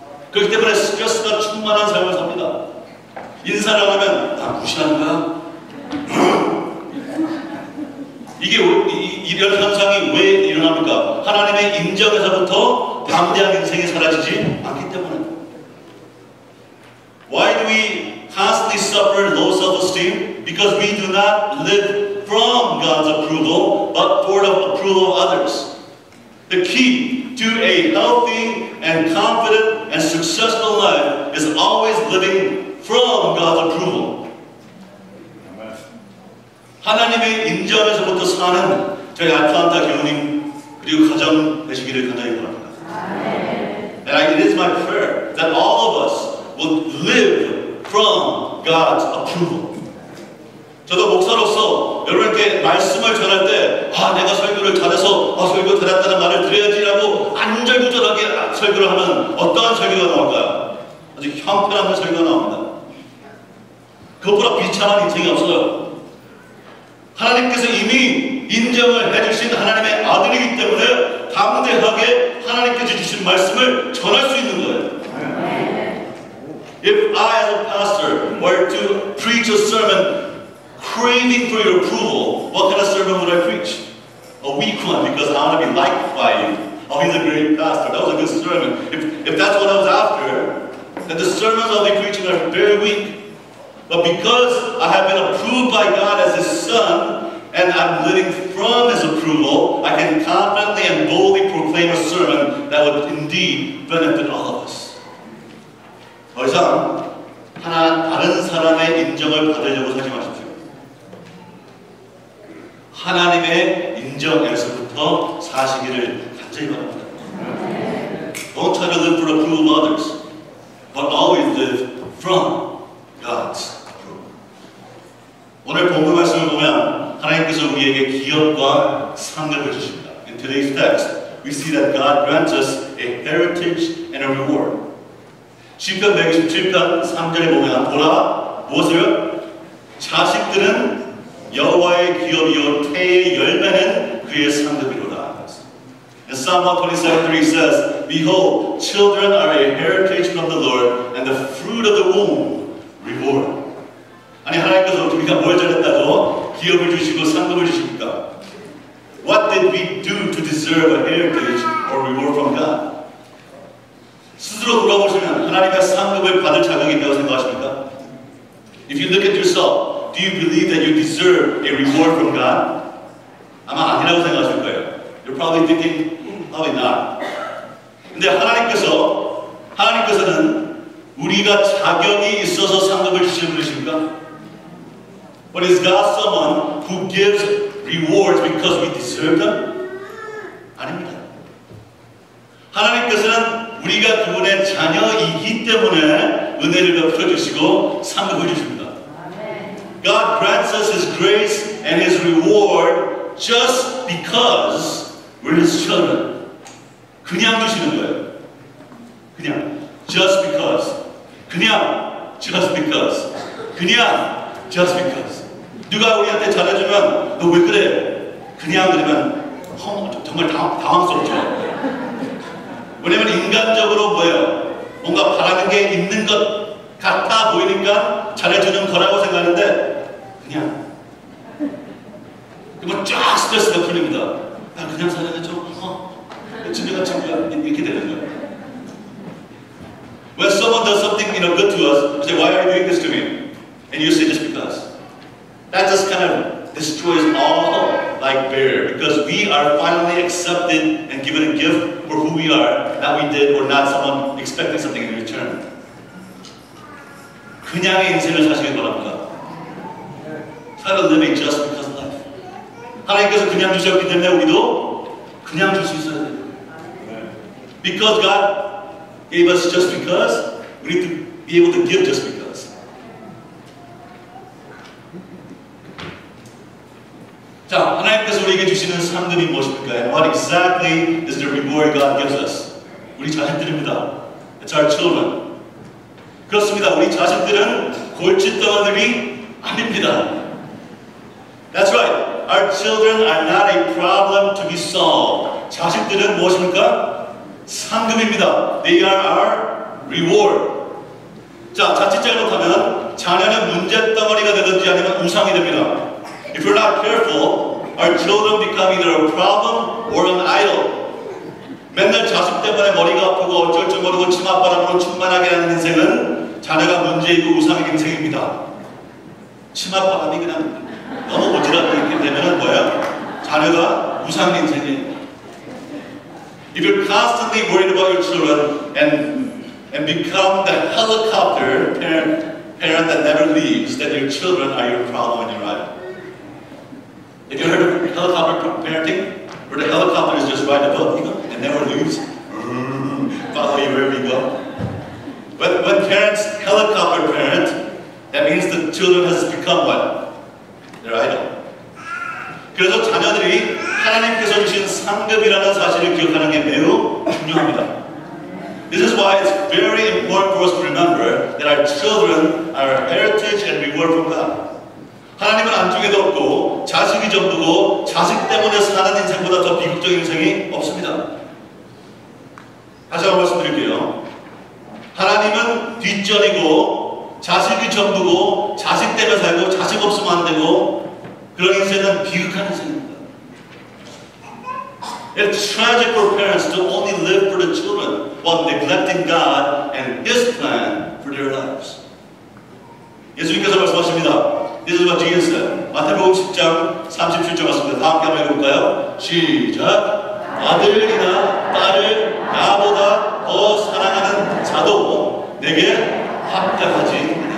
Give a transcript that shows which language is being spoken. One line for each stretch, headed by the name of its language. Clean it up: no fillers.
Korean: 그렇기 때문에 스트레스가 충만한 삶을 삽니다. 인사를 하면 다 무시하는 거야. 이런 현상이 왜 일어납니까? 하나님의 인정에서부터 담대한 인생이 사라지지 않기 때문에.
English: Why do we constantly suffer low self-esteem? Because we do not live from God's approval, but for the approval of others. The key to a healthy and confident and successful life is always living from God's approval.
Korean: 하나님의 인정에서부터 사는 저희 아틀란타 교우님 그리고 가정 되시기를 간절히 바랍니다.
English: And it is my prayer that all of us would live from God's approval.
Korean: 저도 목사로서 여러분께 말씀을 전할 때 아 내가 설교를 잘해서 아 설교 잘했다는 말을 드려야지라고 안절부절하게 설교를 하면 어떠한 설교가 나올까요? 아주 형편한 설교가 나옵니다. 그것보다 비참한 인생이 없어요. 하나님께서 이미 인정을 해주신 하나님의 아들이기 때문에 담대하게 하나님께서 주신 말씀을 전할 수 있는 거예요.
English: If I as a pastor were to preach a sermon craving for your approval, what kind of sermon would I preach? A weak one, because I want to be liked by you. Oh, he's a great pastor. That was a good sermon. If that's what I was after, then the sermons I'll be preaching are very weak. But because I have been approved by God as His Son, and I'm living from His approval, I can confidently and boldly proclaim a sermon that would indeed benefit all of us.
Korean: 더 이상 하나 다른 사람의 인정을 받으려고 하지 마십시오. 하나님의 인정에서부터 사시기를 간절히 바랍니다.
English: Don't try to live for approval of others, but always live from God's.
Korean: 오늘 본문 말씀을 보면 하나님께서 우리에게 기업과 상급을 주십니다.
English: In today's text, we see that God grants us a heritage and a reward.
Korean: 시편 127편 3절에 보면 보라, 무엇을요? 자식들은 여호와의 기업이요 태의 열매는 그의 상급이로다.
English: In Psalm 127:3 says, Behold, children are a heritage from the Lord, and the fruit of the womb, reward.
Korean: 아니 하나님께서 우리가 뭘 잘했다고 기업을 주시고 상급을 주십니까?
English: What did we do to deserve a heritage or reward from God?
Korean: 스스로 돌아보시면 하나님께 상급을 받을 자격이 있다고 생각하십니까?
English: If you look at yourself, do you believe that you deserve a reward from God?
Korean: 아마 아니라고 생각하실 거예요.
English: You're probably thinking, probably not.
Korean: 근데 하나님께서는 우리가 자격이 있어서 상급을 주시는 분이십니까?
English: But is God someone who gives rewards because we deserve them?
Korean: 아닙니다. 하나님께서는 우리가 그분의 자녀이기 때문에 은혜를 베풀어주시고 상급을 주십니다.
English: God grants us His grace and His reward just because we're His children.
Korean: 그냥 주시는 거예요. 그냥.
English: Just because.
Korean: 그냥.
English: Just because.
Korean: 그냥.
English: Just because.
Korean: 누가 우리한테 잘해주면 너 왜 그래? 그냥 그러면 정말 당황스럽죠. 왜냐면 인간적으로 뭐예요? 뭔가 바라는 게 있는 것 같아 보이니까 잘해주는 거라고 생각하는데 그냥. 그러면 쫙 스트레스가 풀립니다. 아, 그냥 잘해줘. 친구야. 이렇게 되는 거예요.
English: When someone does something you know, good to us, we say, why are you doing this to me? And you say, just because. That just kind of destroys all like barrier because we are finally accepted and given a gift for who we are, not we did or not someone expecting something in return.
Korean: 그냥의 인생을 사시길 바랍니다.
English: Try to live a just because of life.
Korean: 하나님께서 그냥 주셨기 때문에 우리도 그냥 줄 수 있어야 돼요.
English: Because God gave us just because, we need to be able to give just because.
Korean: 자, 하나님께서 우리에게 주시는 상급이 무엇입니까?
English: And what exactly is the reward God gives us?
Korean: 우리 자식들입니다.
English: It's our children.
Korean: 그렇습니다. 우리 자식들은 골칫덩어리 아닙니다.
English: That's right. Our children are not a problem to be solved.
Korean: 자식들은 무엇입니까? 상급입니다.
English: They are our reward.
Korean: 자, 자칫 잘못하면 자녀는 문제덩어리가 되든지 아니면 우상이 됩니다.
English: If we're not careful, our children become either a problem or an idol.
Korean: 맨날 자식 때문에 머리가 아프고 어쩔 줄 모르고 치맛바람으로 충만하게 하는 인생은 자녀가 문제이고 우상의 인생입니다. 치맛바람이 그냥 너무 오지랖게 있게 되면은 뭐야? 자녀가 우상의 인생이에요.
English: If you're constantly worried about your children and become the helicopter parent that never leaves, then your children are your problem in your life. Have you heard of helicopter parenting? Where the helicopter is just right above you and never leaves? Follow you wherever you go. But when parents helicopter parent, that means the children has become what? Their idol.
Korean: 그래서 자녀들이 하나님께서 주신 상급이라는 사실을 기억하는 게 매우 중요합니다.
English: This is why it's very important for us to remember that our children are our heritage and reward from God.
Korean: 하나님은 안쪽에도 없고 자식이 전부고 자식 때문에 사는 인생보다 더 비극적인 인생이 없습니다. 다시 한번 말씀드릴게요. 하나님은 뒷전이고 자식이 전부고 자식 때문에 살고 자식 없으면 안 되고 그런 인생은 비극한 인생입니다.
English: It's tragic for parents to only live for the children while neglecting God and His plan for their lives.
Korean: 예수님께서 말씀하십니다.
English: This is what Jesus said.
Korean: 마태복음 10장 37절 말씀입니다. 다 함께 한번 읽어볼까요? 시작! 아들이나 딸을 나보다 더 사랑하는 자도 내게 합당하지 않습니다.